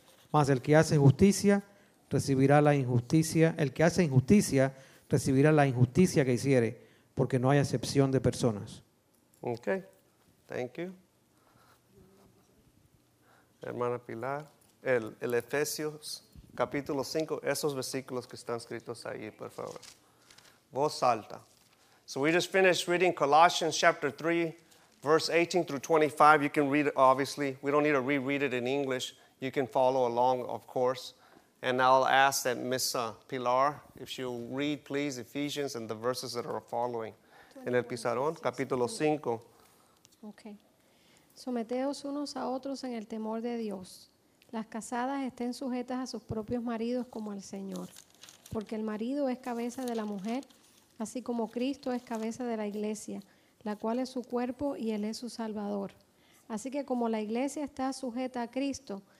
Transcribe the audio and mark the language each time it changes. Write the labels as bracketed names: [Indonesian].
[Spanish] Mas el que hace justicia recibirá la injusticia, el que hace injusticia recibirá la injusticia que hiciere, porque no hay acepción de personas. [English] Okay, thank you. [Spanish] Hermana Pilar. El Efesios, capítulo 5, esos versículos que están escritos ahí, por favor. Voz alta. [English] So we just finished reading Colossians chapter 3, verse 18 through 25. You can read it, obviously. We don't need to reread it in English. You can follow along, of course. And I'll ask that Miss Pilar, if she'll read, please, Ephesians and the verses that are following. [Spanish] En el Pizarrón, capítulo 5. [English] Okay. [Spanish] Someteos unos a otros en el temor de Dios. Las casadas estén sujetas a sus propios maridos como al Señor, porque el marido es cabeza de la mujer, así como Cristo es cabeza de la iglesia, la cual es su cuerpo y él es su salvador. Así que como la iglesia está sujeta a Cristo,